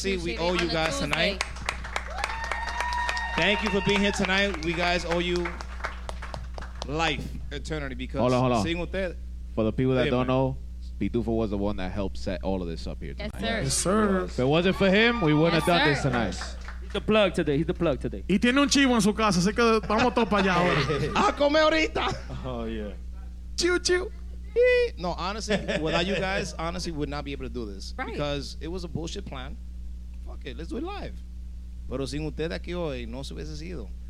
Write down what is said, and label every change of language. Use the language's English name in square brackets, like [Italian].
[English] Tuesday. Tonight. Thank you for being here tonight. We guys owe you life, eternity. Because hold on. For the people that don't know, Pitufo was the one that helped set all of this up here tonight. Yes, sir. Yes. If it wasn't for him, we wouldn't have done this tonight. He's the plug today. [Spanish] Y tiene un chivo en su casa, así que vamos todos para allá. A comer ahorita. [English] Oh yeah. Chiu. No, honestly, without you guys, honestly, we would not be able to do this. Right. Because it was a bullshit plan. Fuck it, let's do it live. [Spanish] Pero sin ustedes aquí hoy, no se hubiese sido.